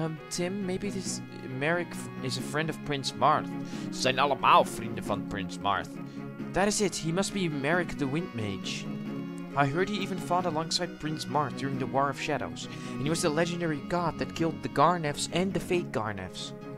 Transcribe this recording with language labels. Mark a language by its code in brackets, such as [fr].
[en] Tim, maybe this Merrick is a friend of Prince Marth. [nl] Zijn allemaal vrienden van Prince Marth. [en] That is it. He must be Merrick the Windmage. I heard he even fought alongside Prince Marth during the War of Shadows, and he was the legendary god that killed the Garnefs and the Fate Garnefs.